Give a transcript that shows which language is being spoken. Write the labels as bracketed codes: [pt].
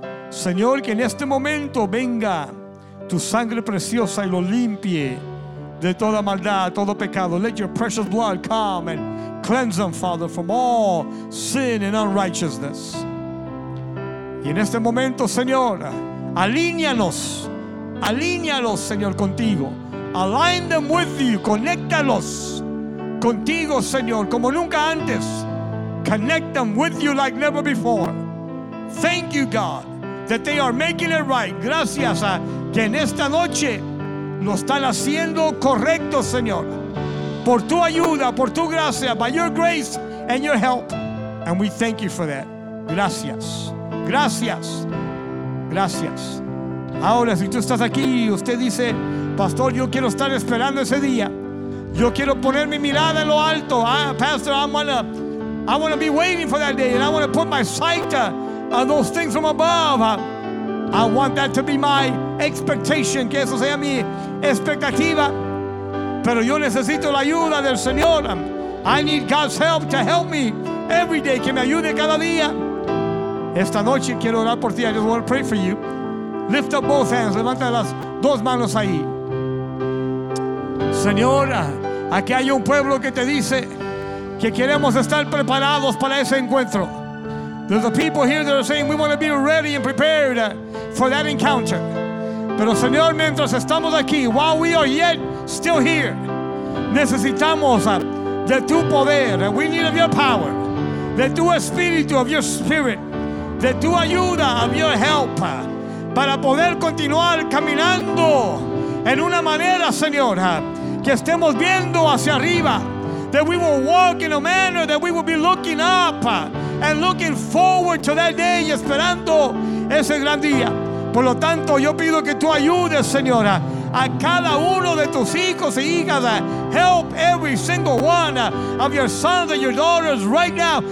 [es] Señor, que en este momento venga tu sangre preciosa y lo limpie de toda maldad, todo pecado. [en] Let your precious blood come and cleanse them, Father, from all sin and unrighteousness. [es] Y en este momento, Señor, alíñanos, alíñalos, Señor, contigo. [en] Align them with you. [es] Conéctalos contigo, Señor, como nunca antes. [en] Connect them with you like never before. Thank you, God, that they are making it right. [es] Gracias a que en esta noche lo están haciendo correcto, Señor. Por tu ayuda, por tu gracia, [en] by your grace and your help. And we thank you for that. [es] Gracias. Gracias. Gracias. Ahora, si tú estás aquí y usted dice, Pastor, yo quiero estar esperando ese día. Yo quiero poner mi mirada en lo alto. [en] Pastor, I want to be waiting for that day. And I want to put my sight on those things from above. I want that to be my expectation. [es] Que eso sea mi expectativa. Pero yo necesito la ayuda del Señor. [en] I need God's help to help me every day. [es] Que me ayude cada día. Esta noche quiero orar por ti. [en] I just want to pray for you. Lift up both hands. [es] Levanta las dos manos ahí. Señor, aquí hay un pueblo que te dice que queremos estar preparados para ese encuentro. [en] There's a people here that are saying we want to be ready and prepared for that encounter. [es] Pero Señor, mientras estamos aquí, [en] while we are yet still here, [es] necesitamos de tu poder. [en] We need of your power, [es] de tu espíritu, [en] of your spirit, [es] de tu ayuda, [en] of your help, [es] para poder continuar caminando en una manera, Señor, que estemos viendo hacia arriba. [en] That we will walk in a manner that we will be looking up and looking forward to that day, [es] esperando ese gran día. Por lo tanto, yo pido que tú ayudes, Señora, a cada uno de tus hijos y hijas. [en] Help every single one of your sons and your daughters right now.